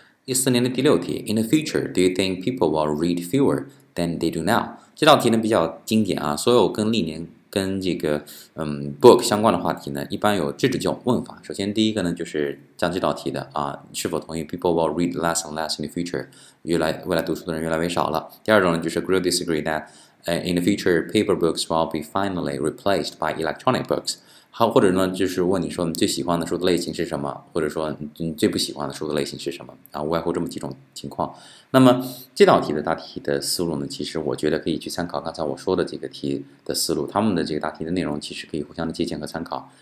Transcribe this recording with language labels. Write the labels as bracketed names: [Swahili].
[English] 1416题 ,In the future, do you think people will read fewer than they do now? [Chinese] 这道题呢比较经典啊，所有跟历年跟这个book 相关的话题呢一般有这种问法。首先第一个呢就是讲这道题的啊，是否同意 [English] people will read less and less in the future, [Chinese] 未来读书的人越来越少了。第二种呢就是 [English] agree or disagree that,in the future, paper books will be finally replaced by electronic books. [Chinese] 好，或者呢就是问你说你最喜欢的书的类型是什么，或者说你最不喜欢的书的类型是什么啊，无外乎这么几种情况。那么这道题的大题的思路呢，其实我觉得可以去参考刚才我说的这个题的思路，他们的这个大题的内容其实可以互相的借鉴和参考。